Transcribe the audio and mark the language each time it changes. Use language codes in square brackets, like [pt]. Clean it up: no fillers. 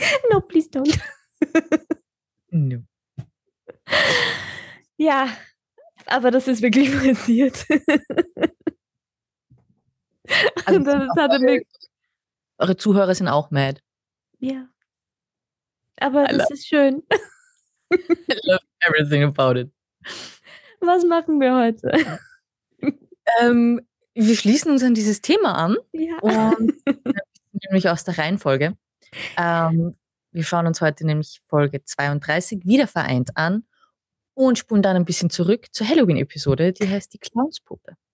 [en] No, please don't. No. [de] Ja, aber das ist wirklich passiert. Also, eure Zuhörer sind auch mad. Ja. Aber das ist schön. [en] I love everything about it. [de] Was machen wir heute? Wir schließen uns an dieses Thema an. Ja. Und nämlich aus der Reihenfolge. Wir schauen uns heute nämlich Folge 32 wieder vereint an und spulen dann ein bisschen zurück zur Halloween-Episode, die heißt die Clownspuppe.